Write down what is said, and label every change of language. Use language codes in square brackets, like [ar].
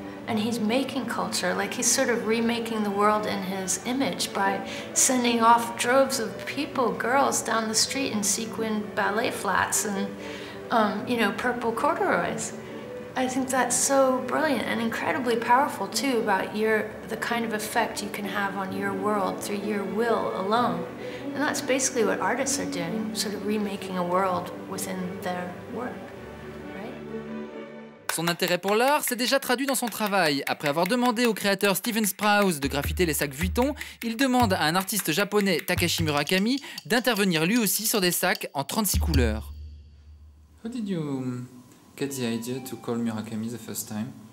[en] And he's making culture, like he's sort of remaking the world in his image by sending off droves of people, girls, down the street in sequined ballet flats and, you know, purple corduroys. I think that's so brilliant and incredibly powerful, too, about the kind of effect you can have on your world through your will alone. And that's basically what artists are doing, sort of remaking a world within their work. [fr] Son intérêt pour l'art s'est déjà traduit dans son travail. Après avoir demandé au créateur Steven Sprouse de graffiter les sacs Vuitton, il demande à un artiste japonais, Takashi Murakami, d'intervenir lui aussi sur des sacs en 36 couleurs. [en] How did you get the idea to call Murakami the first time?